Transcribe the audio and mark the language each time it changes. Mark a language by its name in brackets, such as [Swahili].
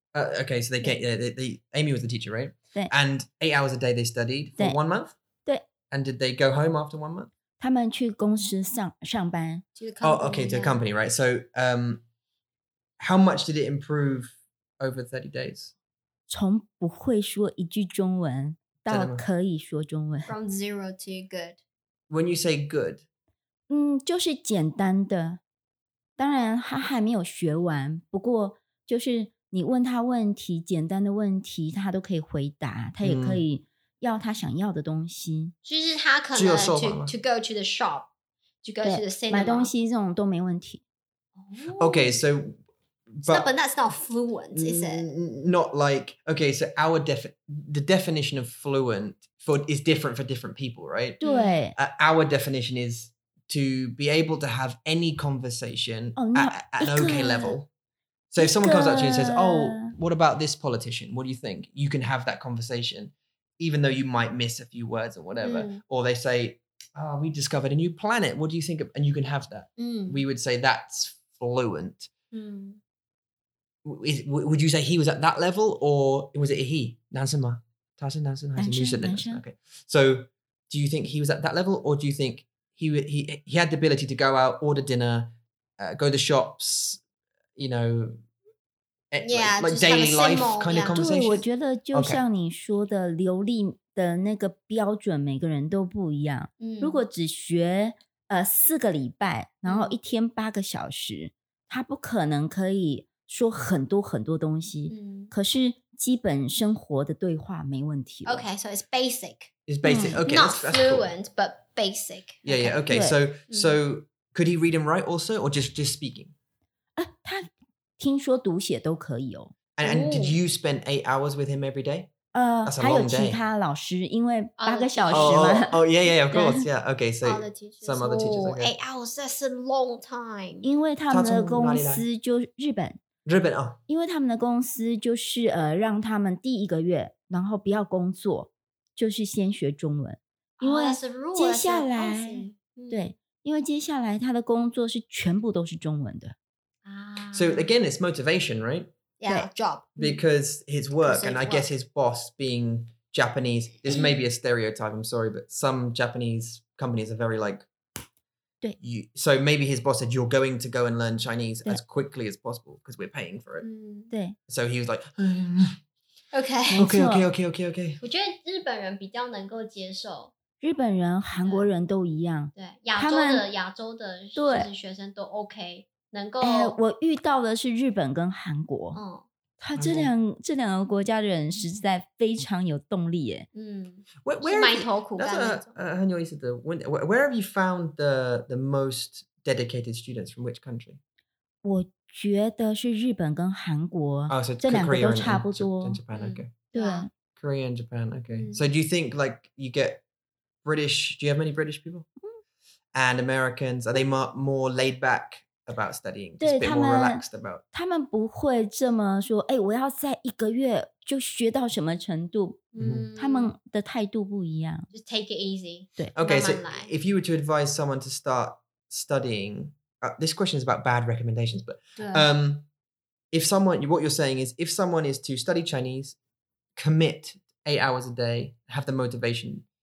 [English] Okay, so they came. Yeah, they Amy was the teacher, right? And 8 hours a day they studied for 1 month. [Chinese] 对 [English] And did they go home after 1 month? [Chinese] 他们去公司上班。 [English] Oh, okay, to a company, right? So, how much did it improve over 30 days? [Chinese] 从不会说一句中文到可以说中文。 [English] From zero to good. When you say good. [Chinese] 就是简单的，当然他还没有学完，不过就是你问他问题，简单的问题他都可以回答，他也可以要他想要的东西，就是他可能 [English] to go to the shop to go to the cinema [Chinese] 买东西这种都没问题。 [English] Okay, so but, no, but that's not fluent, is it? Not like, okay, so our the definition of fluent is different for different people, right? 对 our definition is to be able to have any conversation at an okay level. So if someone comes up to you and says, oh, what about this politician? What do you think? You can have that conversation, even though you might miss a few words or whatever. Mm. Or they say, oh, we discovered a new planet. What do you think? And you can have that. Mm. We would say that's fluent. Mm. Would you say he was at that level? Or was it he? [Chinese] 男生吗?他是男生, 男生, [English] okay. So do you think he was at that level? Or do you think he had the ability to go out, order dinner, go to the shops, you know, yeah, like daily kind of life simple, kind yeah. of conversation. [Chinese] 对，我觉得就像你说的，流利的那个标准，每个人都不一样。嗯，如果只学四个礼拜，然后一天八个小时，他不可能可以说很多很多东西。嗯，可是基本生活的对话没问题。 [English] Okay, so it's basic. It's basic. Okay, not fluent, but basic. Yeah, yeah. Okay, so could he read and write also, or just speaking? [Chinese] 他听说读写都可以哦。 [English] And did you spend 8 hours with him every day? That's a long day. [Chinese] 还有其他老师，因为八个小时 [English] 嘛。Oh, yeah, of course, yeah. Okay, so some other teachers. Oh, 8 hours, that's a long time. [Chinese] 因为他们的公司就日本。日本哦。因为他们的公司就是让他们第一个月，然后不要工作，就是先学中文。因为接下来、 [English] oh, awesome. [Chinese] 对，因为接下来他的工作是全部都是中文的。 [English] So again, it's motivation, right? Yeah, job. Because his work, and I guess his boss being Japanese, this may be a stereotype, I'm sorry, but some Japanese companies are very like, [Chinese] 对 [English] you, so maybe his boss said, you're going to go and learn Chinese as quickly as possible because we're paying for it. [Chinese] 对 [English] So he was like, okay. [Chinese] 我觉得日本人比较能够接受。日本人、韩国人都一样。对，亚洲的学生都 OK。能够、我遇到的是日本跟韩国、他这两个国家的人实在非常有动力耶、埋头苦干那种。很有意思的问题。 [English] Where have you found the most dedicated students from which country? [Chinese] 我觉得是日本跟韩国、 [English] oh, so、 [Chinese] 这两个都差不多 [English] and Japan,、okay. [Chinese] 对 [English] Korea and Japan、okay. So do you think like you get British, do you have many British people? And Americans, are they more laid backabout studying, just a bit more relaxed about. [Chinese] 他们不会这么说，哎，我要在一个月就学到什么程度。他们的态度不一样。 [English] Just take it easy. [Chinese] 对。 [English] Okay, so if you were to advise someone to start studying, this question is about bad recommendations, but if someone, what you're saying is, if someone is to study Chinese, commit 8 hours a day, have the motivation.